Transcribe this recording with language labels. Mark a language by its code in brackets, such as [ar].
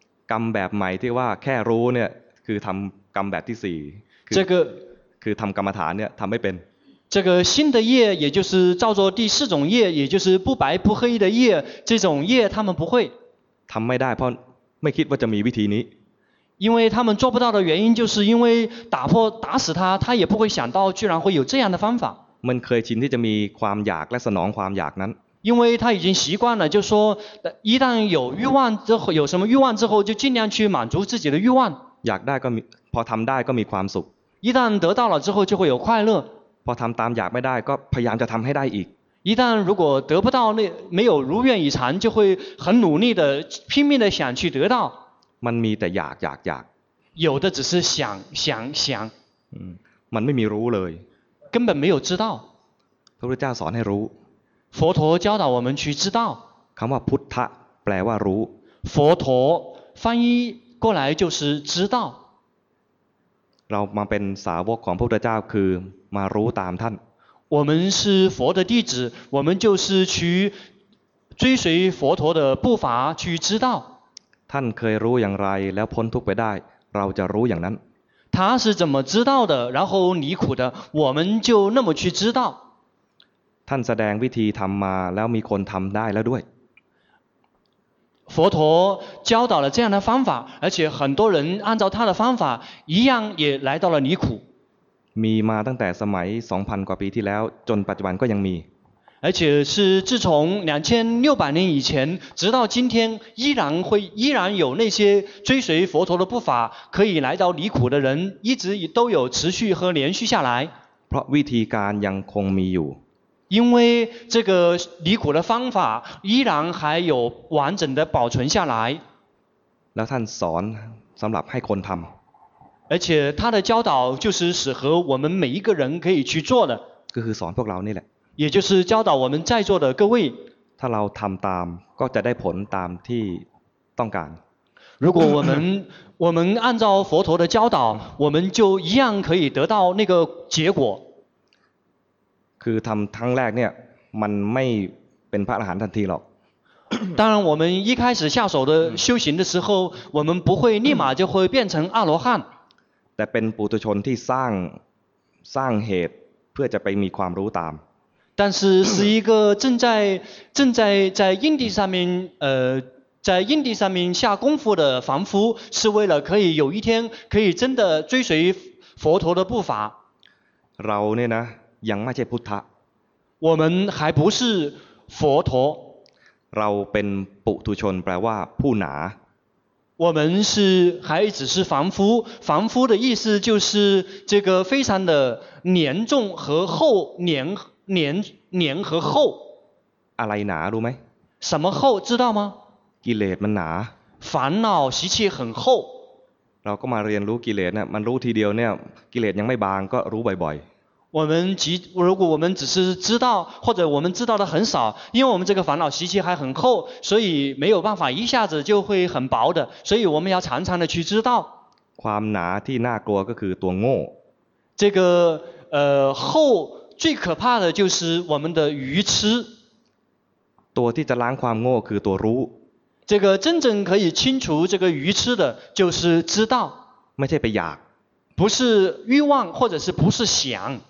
[th] กรรมแบบใหม่ที่ว่าแค่รู้เนี่ยคือทำกรรมแบบที่สี่。 [zh] 这个 [th] คือทำกรรมฐานเนี่ยทำไม่เป็น。 [zh] 这个新的业，也就是照做第四种业，也就是不白不黑的业，这种业他们不会。 [th] ทำไม่ได้เพราะไม่คิดว่าจะมีวิธีนี้。 [zh] 因为他们做不到的原因，就是因为打死他，他也不会想到居然会有这样的方法。 [th] มันเคยชินที่จะมีความอยากและสนองความอยากนั้น。 [zh] 因为他已经习惯了，就说一旦有欲望之后，有什么欲望之后，就尽量去满足自己的欲望。 [th] อยากได้ก็มีพอทำได้ก็มีความสุข。 [zh] 一旦得到了之后，就会有快乐。 [th] พอทำตามอยากไม่ได้ก็พยายามจะทำให้ได้อีก [zh] 一旦如果得不到那没有如愿以偿就会很努力的拼命的想去得到 [th] มันมีแต่อยากอยากอยาก [zh] 有的只是想想想 [th] มันไม่มีรู้เลย [zh] 根本没有知道 [th] พระพุทธเจ้าสอนให้รู้ [zh] 佛陀教导我们去知道 [th] คำว่าพุทธะแปลว่ารู้ [zh] 佛陀翻译过来就是知道 [th] เรามาเป็นสาวกของพระพุทธเจ้าคือมารู้ตามท่าน [zh] 我们是佛的弟子我们就是去追随佛陀的步伐去知道 [th] ท่านเคยรู้อย่างไรแล้วพ้นทุกข์ไปได้เราจะรู้อย่างนั้น [zh] 他是怎么知道的然后离苦的我们就那么去知道 [th] ท่านแสดงวิธีทำมาแล้วมีคนทำได้แล้วด้วย [zh] 佛陀教导了这样的方法而且很多人按照他的方法一样也来到了离苦 [th] มีมาตั้งแต่สมัย 2,000 กว่าปีที่แล้วจนปัจจุบันก็ยังมี [zh] 而且是自从2600年以前直到今天依然有那些追随佛陀的步伐可以来到离苦的人一直都有持续和连续下来 [th] เพราะวิธีการยังคงมีอยู่ [zh] 因为这个离苦的方法依然还有完整的保存下来 [th] แล้วท่านสอนสำหรับให้คนทำ [zh] 而且他的教导就是适合我们每一个人可以去做的 [th] ก็คือสอนพวกเรานี่แหละ [zh] 也就是教导我们在座的各位 [th] ถ้าเราทำตามก็จะได้ผลตามที่ต้องการ [zh] 如果我们按照佛陀的教导我们就一样可以得到那个结果 [th] คือทำครั้งแรกเนี่ยมันไม่เป็นพระอรหันต์ทันทีหรอก [zh] 当然我们一开始下手的修行的时候我们不会立马就会变成阿罗汉 [th] แต่เป็นปุถุชนที่สร้างเหตุเพื่อจะไปมีความรู้ตาม [zh] 但是是一个正在因地上面在因地上面下功夫的凡夫是为了可以有一天可以真的追随佛陀的步伐 [th] เราเนี่ยนะยังไม่ใช่พุทธะ [zh] 我们还不是佛陀 [th] เราเป็นปุถุชนแปลว่าผู้หนา [zh] 我们是还只是凡夫，凡夫的意思就是这个非常的黏重和厚，黏和厚。 [th] อะไรหนารู้ไหม？ [zh] 什么厚知道吗？ [th] กิเลสมันหนา。 [zh] 烦恼习气很厚。 [th] เราก็มาเรียนรู้กิเลสเนี่ยมันรู้ทีเดียวเนี่ยกิเลสยังไม่บางก็รู้บ่อยๆ。 [zh] 如果我们只是知道或者我们知道的很少因为我们这个烦恼习气还很厚所以没有办法一下子就会很薄的所以我们要常常的去知道 [th] ความหนาที่น่ากลัวก็คือตัวโง่ [zh] 这个厚最可怕的就是我们的愚痴 [th] ตัวที่จะล้างความโง่คือตัวรู้ [zh] 这个真正可以清除这个愚痴的就是知道 [th] ไม่ใช่ไปอยาก [zh] 不是欲望或者是不是想